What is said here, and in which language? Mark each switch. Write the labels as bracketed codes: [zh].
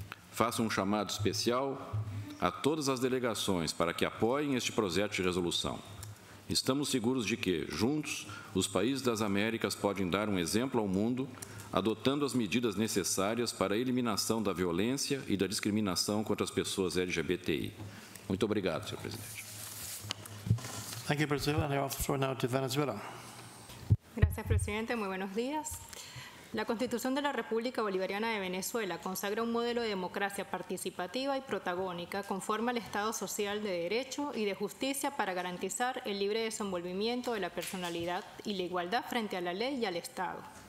[pt] Faço um chamado especial a todas as delegações para que apoiem este projeto de resolução. Estamos seguros de que, juntos, os países das Américas podem dar um exemplo ao mundo, adotando as medidas necessárias para a eliminação da violência e da discriminação contra as pessoas LGBTI. Muito obrigado, senhor presidente. [en] Thank you, Brazil, and I offer the floor now to Venezuela. [es] Gracias, presidente. Muy buenos días. La Constitución de la República Bolivariana de Venezuela consagra un modelo de democracia participativa y protagónica conforme al Estado Social de Derecho y de Justicia para garantizar el libre desenvolvimiento de la personalidad y la igualdad frente a la ley y al Estado.